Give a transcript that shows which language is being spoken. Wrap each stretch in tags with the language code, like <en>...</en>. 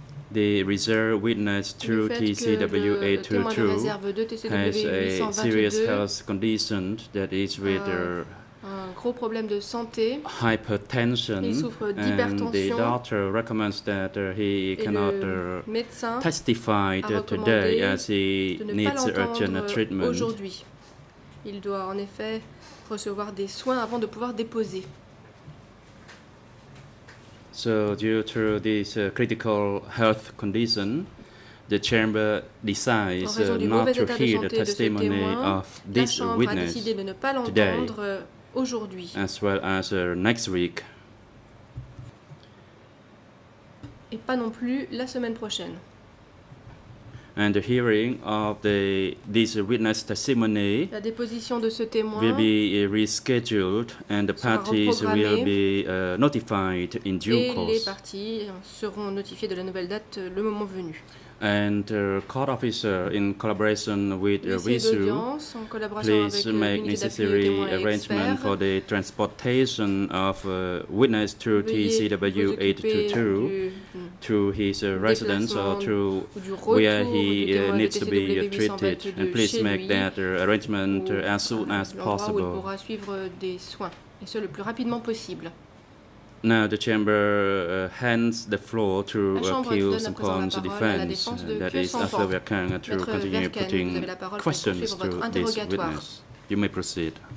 <en>the reserve witness through TCWA 22 has a serious health condition that is with</en> <fr>gros problème de santé.</fr> <en>Hypertension.</en> <fr>Il souffre d'hypertension.</fr> <en>And the doctor recommends that he cannot testify today as he needs urgent treatment.</en> <fr>Aujourd'hui, il doit en effet recevoir des soins avant de pouvoir déposer.</fr> <en>So due to this critical health condition, the chamber decides not to hear the testimony of this witness today.</en> <fr>Aujourd'hui.</fr> <en>As well as next week.</en> <fr>Et pas non plus la semaine prochaine.</fr> <en>And the hearing of this witness testimony</en> <fr>la déposition de ce témoin</fr> <en>will be rescheduled and the parties will be notified in due</en> <fr>et</fr> <en>course.</en> <fr>Et les parties seront notifiées de la nouvelle date le moment venu.</fr> <en>And the court officer, in collaboration with RISU, please</en> <fr>avec</fr> <en>make necessary arrangement expert for the transportation of witness to TCW 822 to his residence or to where he needs to be treated. And please make that arrangement as soon as possible.</en> <fr>Où il pourra suivre des soins, et ce le plus rapidement possible.</fr> <en>Now the chamber hands the floor to appeal some points of defense. That is, after we can to continue Verken, putting questions to this witness. You may proceed.</en>